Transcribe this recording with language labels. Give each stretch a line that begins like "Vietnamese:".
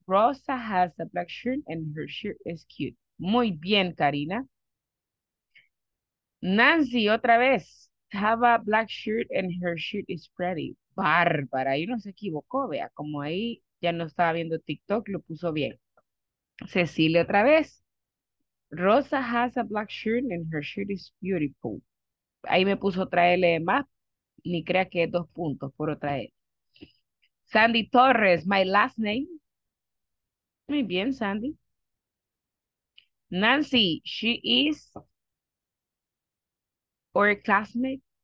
English: Rosa has a black shirt and her shirt is cute.
Spanish: Muy bien, Karina. Nancy, otra vez.
English: Have a black shirt and her shirt is pretty.
Spanish: Bárbara, ahí no se equivocó, vea, como ahí ya no estaba viendo TikTok, lo puso bien. Cecilia, otra vez.
English: Rosa has a black shirt and her shirt is beautiful.
Spanish: Ahí me puso otra L de más, ni crea que es dos puntos por otra L.
English: Sandy Torres, my last name.
Spanish: Muy bien, Sandy.
English: Nancy, she is our classmate.